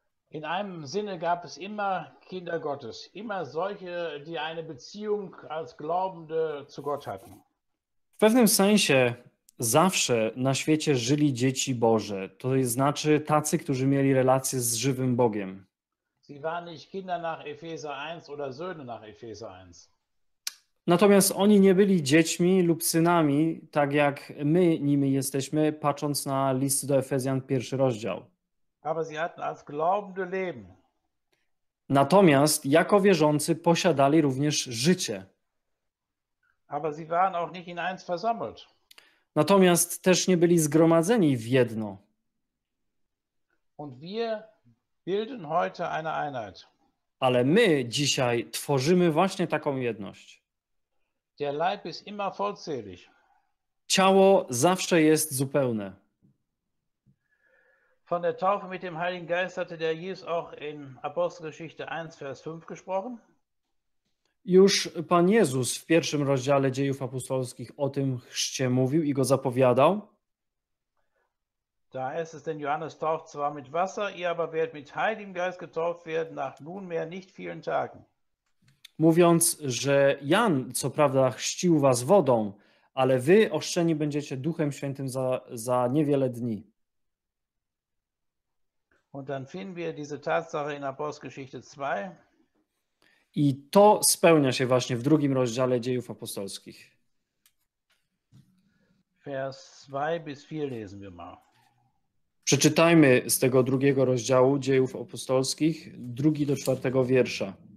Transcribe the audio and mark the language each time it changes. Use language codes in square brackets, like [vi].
[de] In einem Sinne gab es immer Kinder Gottes, immer solche, die eine Beziehung als Glaubende zu Gott hatten. [pl] W pewnym sensie zawsze na świecie żyli dzieci Boże, to znaczy tacy, którzy mieli relacje z żywym Bogiem. [de] Sie waren nicht Kinder nach Epheser 1 oder Söhne nach Epheser 1. [pl] Natomiast oni nie byli dziećmi lub synami, tak jak my nimi jesteśmy, patrząc na list do Efezjan, 1 rozdział. [de] Aber sie hatten als glaubende Leben. [pl] Natomiast jako wierzący posiadali również życie. [de] Aber sie waren auch nicht in eins versammelt. [pl] Natomiast też nie byli zgromadzeni w jedno. [de] Und wir bilden heute eine Einheit. [pl] Ale my dzisiaj tworzymy właśnie taką jedność. [de] Der Leib ist immer vollzählig. [pl] Ciało zawsze jest zupełne. [de] Von der Taufe mit dem Heiligen Geist hatte der Jesus auch in Apostelgeschichte 1, Vers 5 gesprochen. [pl] Już Pan Jezus w 1 rozdziale Dziejów Apostolskich o tym chrzcie mówił i go zapowiadał. [de] Da heißt es, denn Johannes taucht zwar mit Wasser, ihr aber werdet mit Heiligem Geist getauft werden nach nunmehr nicht vielen Tagen. [pl] Mówiąc, że Jan co prawda chrzcił was wodą, ale wy ochrzczeni będziecie Duchem Świętym za niewiele dni. [de] Und dann finden wir diese Tatsache in Apostelgeschichte 2. [pl] I to spełnia się właśnie w 2 rozdziale Dziejów Apostolskich. [de] Vers 2 bis 4 lesen wir mal. [pl] Przeczytajmy z tego 2 rozdziału Dziejów Apostolskich, 2 do 4 wiersza.